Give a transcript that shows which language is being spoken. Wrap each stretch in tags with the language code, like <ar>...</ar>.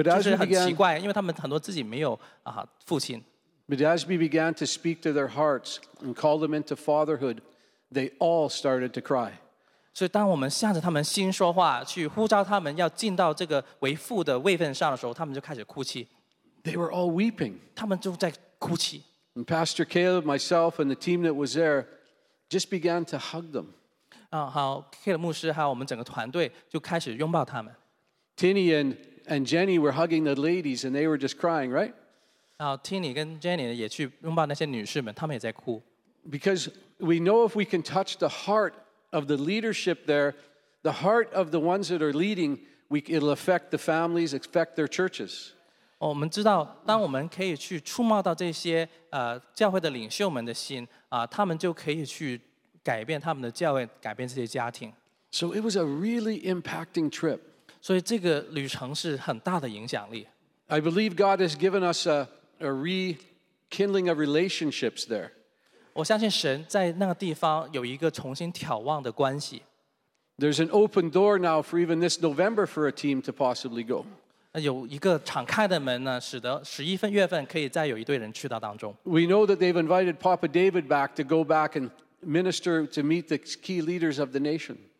<zh>当我们去分享关于父亲，还有就是父亲所事，他是怎么样的一个所在，我就看到他们的眼睛在滚，就好像就是很奇怪，因为他们很多自己没有父亲。</zh> <en>But as we began to speak to their hearts and call them into fatherhood, they all started to cry.</en> <zh>所以当我们向着他们心说话，去呼召他们要进到这个为父的位份上的时候，他们就开始哭泣。</zh> <en>They were all weeping.</en> <zh>他们就在哭泣。</zh> <en>And Pastor Caleb, myself, and the team that was there just began to hug them.</en> <zh>好，Caleb牧师还有我们整个团队就开始拥抱他们。</zh> <en>Tinny and Jenny were hugging the ladies, and they were just crying, right? Because we know if we can touch the heart of the leadership there, the heart of the ones that are leading, it'll affect the families, affect their churches.</en> <zh>我们知道，当我们可以去触摸到这些教会的领袖们的心，他们就可以去改变他们的教会，改变这些家庭。</zh> <en>So it was a really impacting trip.</en> <zh>所以这个旅程是很大的影响力。</zh> <en>I believe God has given us a rekindling of relationships there.</en> <zh>我相信神在那个地方有一个重新眺望的关系。</zh> <en>There's an open door now for even this November for a team to possibly go.</en> <zh>有一个敞开的门呢，使得十一月份可以再有一队人去到当中。</zh> <en>We know that they've invited Papa David back to go back and minister to meet the key leaders of the nation.</en>